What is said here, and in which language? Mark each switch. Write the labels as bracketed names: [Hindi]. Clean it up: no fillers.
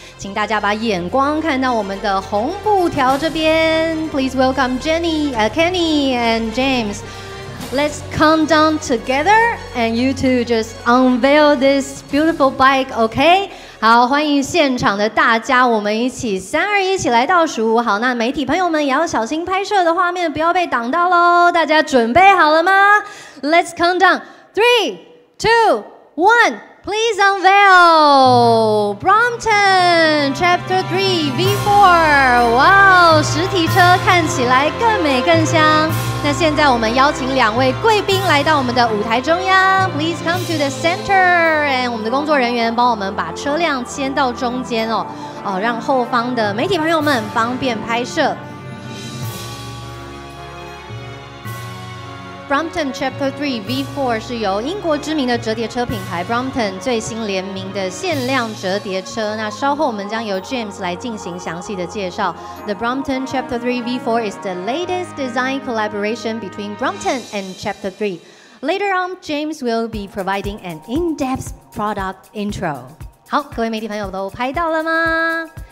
[Chinese] 请大家把眼光看到我们的红布条这边。 [English] Please welcome Jenny, Kenny and James. Let's calm down together and you two just unveil this beautiful bike, okay? [Chinese] 好，欢迎现场的大家，我们一起三二一起来倒数。好，那媒体朋友们也要小心拍摄的画面，不要被挡到咯。大家准备好了吗？ [English] Let's calm down. 3, 2, 1, please unveil Brompton Chapter 3 V4. [Chinese] 哇哦，实体车看起来更美更香。那现在我们邀请两位贵宾来到我们的舞台中央。 [English] Please come to the center. [Chinese] And 我们的工作人员帮我们把车辆牵到中间哦，哦，让后方的媒体朋友们方便拍摄。 Brompton Chapter 3 V4 是由英国知名的折叠车品牌 Brompton 最新联名的限量折叠车。那稍后我们将由 James 来进行详细的介绍。 [English] The Brompton Chapter 3 V4 is the latest design collaboration between Brompton and Chapter 3. Later on, James will be providing an in-depth product intro. [Chinese] 好，各位媒体朋友都拍到了吗？